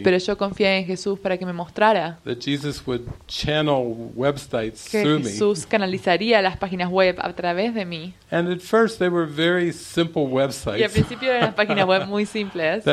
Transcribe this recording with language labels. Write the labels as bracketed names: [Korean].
[Spanish] Pero yo confié en Jesús para que me mostrara. [English] That Jesus would channel websites through me. [Spanish] Que Jesús canalizaría las páginas web a través de mí. [English] And at first they were very simple websites. [Spanish] Y al principio eran páginas web muy simples.